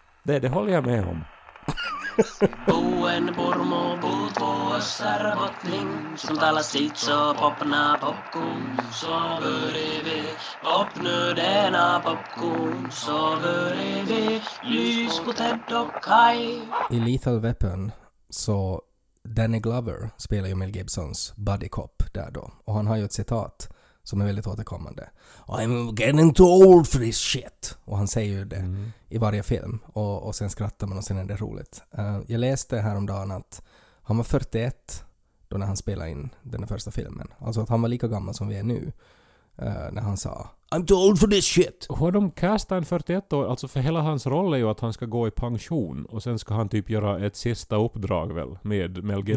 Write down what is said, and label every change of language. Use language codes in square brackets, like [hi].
[sv] Det håller jag med om. Boen Burmo Butvoosar Botling Suntala Sitso Popna Popkun Sovurivi Popnudena Popkun Sovurivi Lyskuteddokai. I Lethal Weapon så Danny Glover spelar ju Mel Gibsons buddy cop där då, och han har ju ett citat som är väldigt återkommande. [en] I'm getting too old for this shit. [sv] Och han säger ju det i varje film. Och sen skrattar man och sen är det roligt. Jag läste häromdagen att han var 41 då när han spelade in den första filmen. Alltså att han var lika gammal som vi är nu. När han sa, [en] I'm too old for this shit. [sv] Har de castat en 41 då? Alltså för hela hans roll är ju att han ska gå i pension. Och sen ska han typ göra ett sista uppdrag väl med Mel Gibson.